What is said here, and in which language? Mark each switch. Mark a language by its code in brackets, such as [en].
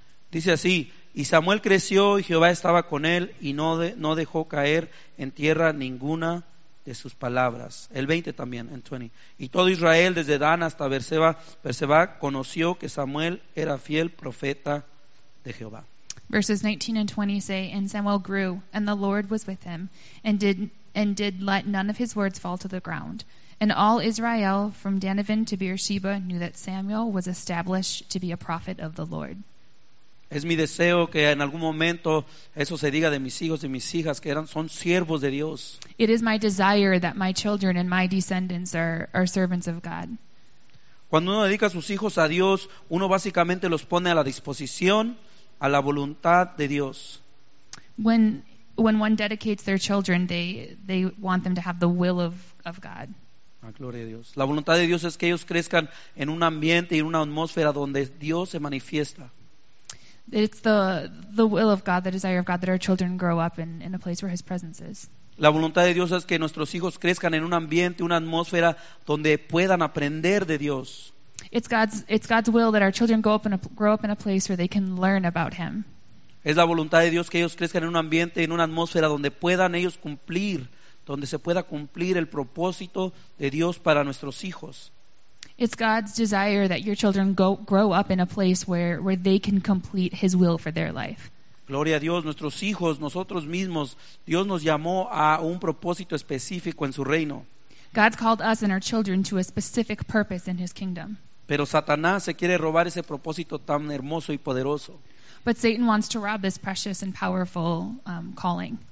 [es] Dice así: y Samuel creció y Jehová estaba con él y no dejó caer en tierra ninguna de sus palabras. El 20 también, en 20. Y todo Israel, desde Dan hasta Berseba, conoció que Samuel era fiel profeta de Jehová. [en] Verses 19 and 20 say, and Samuel grew, and the Lord was with him, and did let none of his words fall to the ground. And all Israel, from Danavin to Beersheba, knew that Samuel was established to be a prophet of the Lord. [es] Es mi deseo que en algún momento eso se diga de mis hijos y mis hijas, que son siervos de Dios. [en] It is my desire that my children and my descendants are servants of God. [es] Cuando uno dedica a sus hijos a Dios, uno básicamente los pone a la disposición, a la voluntad de Dios. [en] When one dedicates their children, they want them to have the will of God. [es] Ah, gloria a Dios. La voluntad de Dios es que ellos crezcan en un ambiente y en una atmósfera donde Dios se manifiesta. [en] It's the will of God, the desire of God, that our children grow up in a place where His presence is. [es] La voluntad de Dios es que nuestros hijos crezcan en un ambiente, una atmósfera donde puedan aprender de Dios. [en] It's God's will that our children grow up in a place where they can learn about Him. [es] Es la voluntad de Dios que ellos crezcan en un ambiente, en una atmósfera donde puedan ellos cumplir, donde se pueda cumplir el propósito de Dios para nuestros hijos. [en] It's God's desire that your children grow up in a place where they can complete His will for their life. [es] Gloria a Dios, nuestros hijos, nosotros mismos, Dios nos llamó a un propósito específico en su reino. [en] God's called us and our children to a specific purpose in his kingdom. [es] Pero Satanás se quiere robar ese propósito tan hermoso y poderoso. [en] But Satan wants to rob this precious and powerful calling.